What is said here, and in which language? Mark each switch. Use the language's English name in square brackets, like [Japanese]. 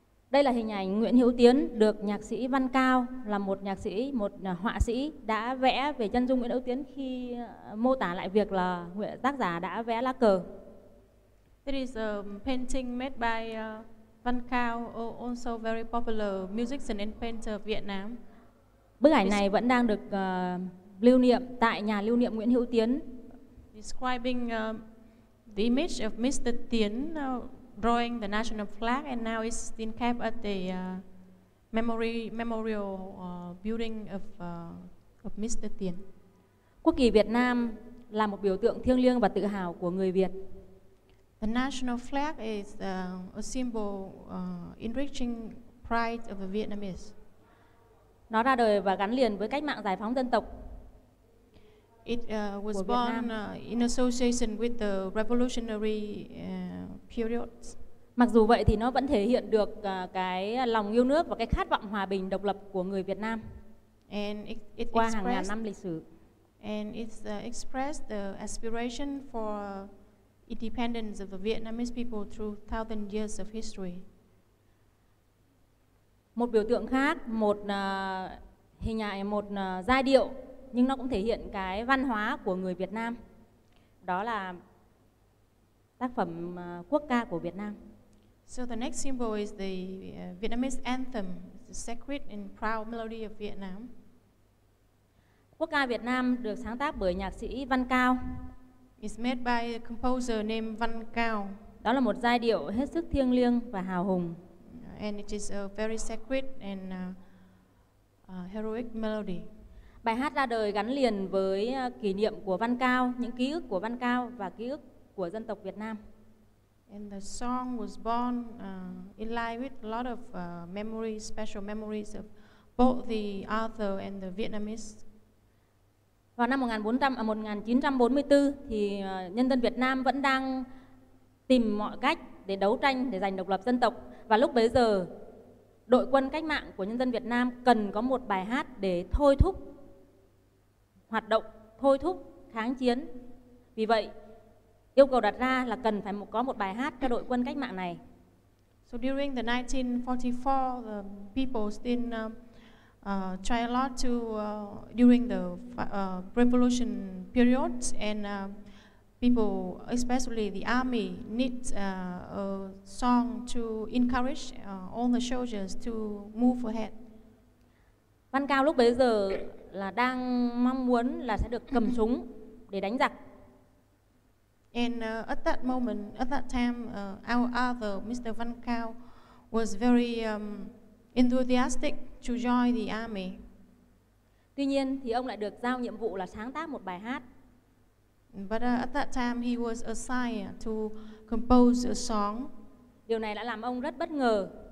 [Vietnamese] Đây là hình ảnh Nguyễn Hữu Tiến được nhạc sĩ Văn Cao, là một nhạc sĩ, một họa sĩ đã vẽ về chân dung Nguyễn Hữu Tiến khi mô tả lại việc là tác giả đã vẽ lá cờ. [English] It is a painting made by Văn Cao, also very popular musician and painter of Vietnam. [Vietnamese] Bức ảnh này vẫn đang được lưu niệm tại nhà lưu niệm Nguyễn Hữu Tiến. [English] Describing the image of Mr. Tiến drawing the national flag, and now it's been kept at the memorial building of Mr. Tiến. [Vietnamese] Quốc kỳ Việt Nam là một biểu tượng thiêng liêng và tự hào của người Việt. [English] The national flag is a symbol enriching pride of the Vietnamese. [Vietnamese] Nó ra đời và gắn liền với cách mạng giải phóng dân tộc. [English] It was born in association with the revolutionary period. [Vietnamese] Mặc dù vậy thì nó vẫn thể hiện được cái lòng yêu nước và cái khát vọng hòa bình độc lập của người Việt Nam. [English] And it [Vietnamese] qua hàng ngàn năm lịch sử. [English] And it expressed the aspiration for independence of the Vietnamese people through thousand years of history. [Vietnamese] Một biểu tượng khác, một hình ảnh, một giai điệu nhưng nó cũng thể hiện cái văn hóa của người Việt Nam. Đó là tác phẩm quốc ca của Việt Nam. [English] So the next symbol is the Vietnamese anthem, the sacred and proud melody of Vietnam. [Vietnamese] Quốc ca Việt Nam được sáng tác bởi nhạc sĩ Văn Cao. [English] It's made by a composer named Văn Cao. [Vietnamese] Đó là một giai điệu hết sức thiêng liêng và hào hùng. [English] And it is a very sacred and heroic melody. [Vietnamese] Bài hát ra đời gắn liền với kỷ niệm của Văn Cao, những ký ức của Văn Cao và ký ức của dân tộc Việt Nam. [English] And the song was born in line with a lot of memories, special memories of both the author and the Vietnamese. [Vietnamese] Vào năm 1944 thì nhân dân Việt Nam vẫn đang tìm mọi cách để đấu tranh để giành độc lập dân tộc. Và lúc bấy giờ, đội quân cách mạng của nhân dân Việt Nam cần có một bài hát để thôi thúc hoạt động, thôi thúc kháng chiến. Vì vậy, yêu cầu đặt ra là cần phải có một bài hát cho đội quân cách mạng này. [English] So during the 1944, the people still try a lot to during the revolution period, and people, especially the army, need a song to encourage all the soldiers to move ahead. [Vietnamese] Văn Cao lúc bấy giờ là đang mong muốn là sẽ được cầm súng để đánh giặc. [English] And at that time, our author, Mr. Văn Cao, was very enthusiastic to join the army. [Vietnamese] Tuy nhiên thì ông lại được giao nhiệm vụ là sáng tác một bài hát. [English] But at that time he was assigned to compose a song. [Vietnamese] Điều này đã làm ông rất bất ngờ.